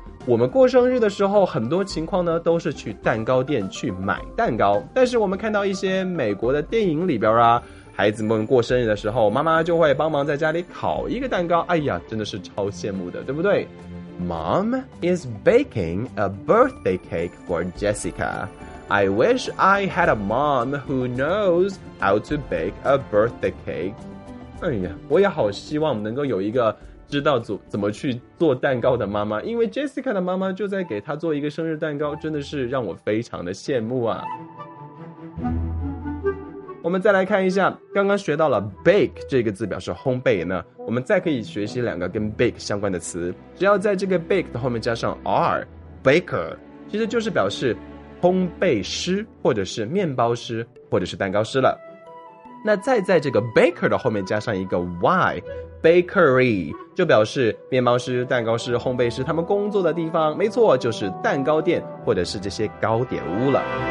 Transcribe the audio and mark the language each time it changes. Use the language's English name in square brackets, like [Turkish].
[Chinese] 我们过生日的时候很多情况呢都是去蛋糕店去买蛋糕，但是我们看到一些美国的电影里边啊，孩子们过生日的时候，妈妈就会帮忙在家里烤一个蛋糕，哎呀，真的是超羡慕的，对不对？ [English] Mom is baking a birthday cake for Jessica. I wish I had a mom who knows how to bake a birthday cake. [Chinese] 哎呀，我也好希望能够有一个知道怎么去做蛋糕的妈妈，因为 Jessica 的妈妈就在给她做一个生日蛋糕，真的是让我非常的羡慕啊。我们再来看一下，刚刚学到了 bake 这个字表示烘焙呢，我们再可以学习两个跟 bake 相关的词，只要在这个 bake 的后面加上 r， baker， 其实就是表示烘焙师或者是面包师或者是蛋糕师了。那再在这个 baker 的后面加上一个 y， bakery， 就表示面包师、蛋糕师、烘焙师他们工作的地方，没错，就是蛋糕店或者是这些糕点屋了。